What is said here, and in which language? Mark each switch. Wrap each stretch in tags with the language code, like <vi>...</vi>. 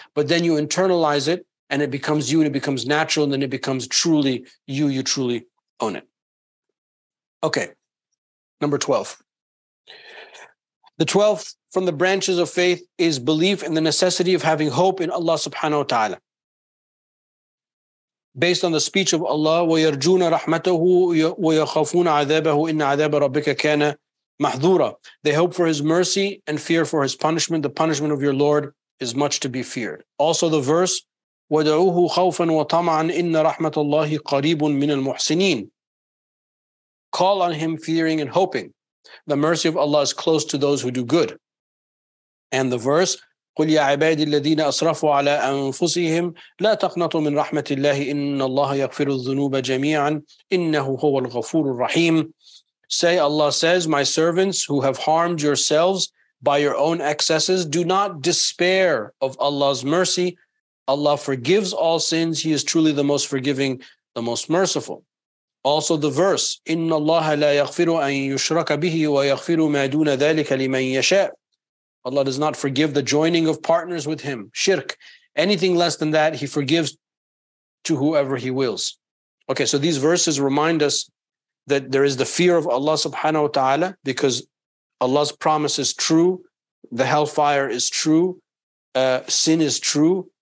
<en>But then you internalize it and it becomes you and it becomes natural. And then it becomes truly you. You truly own it. Okay. Number 12. The 12th from the branches of faith is belief in the necessity of having hope in Allah subhanahu wa ta'ala. Based on the speech of Allah,</en> <ar>وَيَرْجُونَ رَحْمَتَهُ وَيَخَفُونَ عَذَابَهُ إِنَّ عَذَابَ رَبِّكَ كَانَ مَحْذُورًا.</ar> <en>They hope for His mercy and fear for His punishment. The punishment of your Lord is much to be feared. Also the verse,</en> <ar>وَدَعُوهُ خَوْفًا وَطَمَعًا إِنَّ رَحْمَةَ اللَّهِ قَرِيبٌ مِنَ الْمُحْسِنِينَ.</ar> <en>Call on Him fearing and hoping. The mercy of Allah is close to those who do good. And the verse,</en> <ar>قُلْ يَا عِبَادِ الَّذِينَ أَصْرَفُوا عَلَىٰ أَنفُسِهِمْ لَا تَقْنَطُوا مِنْ رَحْمَةِ اللَّهِ إِنَّ اللَّهَ يَغْفِرُ الذُّنُوبَ جَمِيعًا إِنَّهُ هُوَ الْغَفُورُ الرَّحِيمُ.</ar> <en>Say, Allah says, my servants who have harmed yourselves by your own excesses, do not despair of Allah's mercy. Allah forgives all sins. He is truly the most forgiving, the most merciful. Also the verse,</en> <ar>إِنَّ اللَّهَ لَا يَغْفِرُ أَن يُشْرَكَ بِهِ وَيَغْفِرُ مَا دُونَ ذَلِكَ لِمَن يَشَاءُ.</ar> <en>Allah does not forgive the joining of partners with Him, shirk. Anything less than that, He forgives to whoever He wills. Okay, so these verses remind us that there is the fear of Allah subhanahu wa ta'ala because Allah's promise is true, the hellfire is true, sin is true.</en>